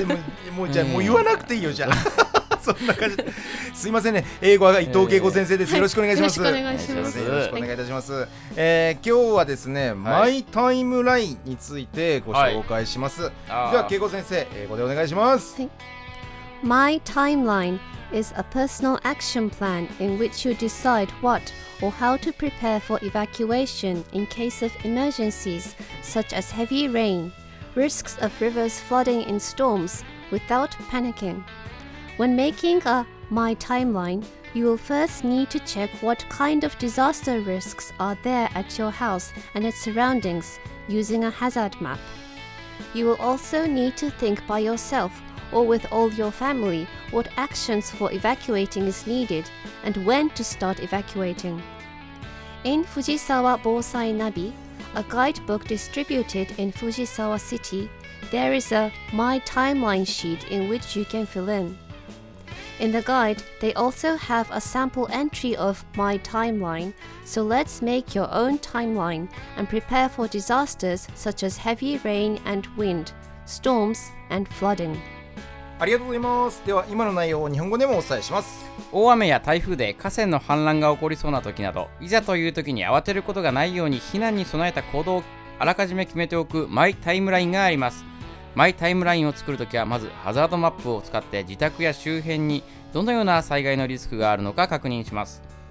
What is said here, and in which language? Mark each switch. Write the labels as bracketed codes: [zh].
[ja] いや、もうじゃもう言わなくていいよじゃあ。そんな感じ。すいませんね、英語は伊藤恵子先生です。よろしくお願いします。よろしくお願いいたします。今日はですね、マイタイムラインについてご紹介します。では恵子先生、英語でお願いします。 [en] マイタイムラインis a personal action plan in which you decide what or how to prepare for evacuation in case of emergencies such as heavy rain, risks of rivers flooding in storms, without panicking. When making a My Timeline, you will first need to check what kind of disaster risks are there at your house and its surroundings using a hazard map. You will also need to think by yourselfor with all your family, what actions for evacuating is needed and when to start evacuating. In Fujisawa Bosai Nabi, a guidebook distributed in Fujisawa City, there is a My Timeline sheet in which you can fill in. In the guide, they also have a sample entry of My Timeline, so let's make your own timeline and prepare for disasters such as heavy rain and wind, storms and flooding. [ja] ありがとうございます。では今の内容を日本語でもお伝えします。大雨や台風で河川の氾濫が起こりそうな時など、いざという時に慌てることがないように避難に備えた行動をあらかじめ決めておくマイタイムラインがあります。マイタイムラインを作るときは、まずハザードマップを使って自宅や周辺にどのような災害のリスクがあるのか確認します。